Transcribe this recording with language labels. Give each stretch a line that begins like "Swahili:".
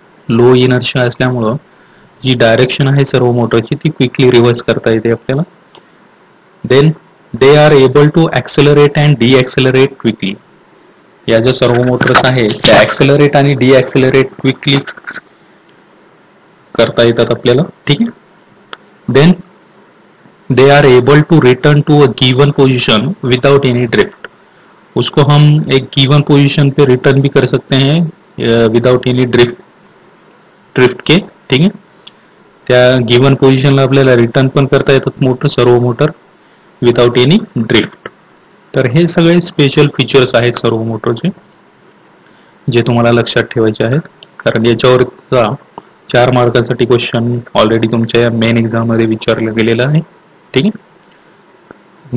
Marathi: Low inertia असल्यामुळं जी direction आहे सर्वो मोटरची ती क्विकली रिवर्स करता येते आपल्याला।
English: then they are able to accelerate and decelerate quickly,
Marathi: या ज्या सर्वो मोटर्स आहेत त्या ऍक्सलरेट आणि डी ऍक्सलरेट क्विकली करता येतात आपल्याला, ठीक आहे।
English: then they are able to return to a given position without any drift,
Hindi: उसको हम एक गिवन पोजिशन पे रिटर्न भी कर सकते हैं विदाउट एनी ड्रिफ्ट ड्रिफ्ट के, ठीक है।
Marathi: त्या गिवन पोझिशनला आपल्याला रिटर्न पण करता येतात मोटर सर्वो मोटर विदाउट एनी ड्रिफ्ट। तर हे सगळे स्पेशल फीचर्स आहेत सर्वो मोटरचे जे तुम्हाला लक्षात ठेवायचे आहेत, कारण याच्यावरचा 4 मार्कांसाठी क्वेश्चन ऑलरेडी तुमच्या या मेन एक्झाम मध्ये विचारला गेलेला आहे, ठीक आहे।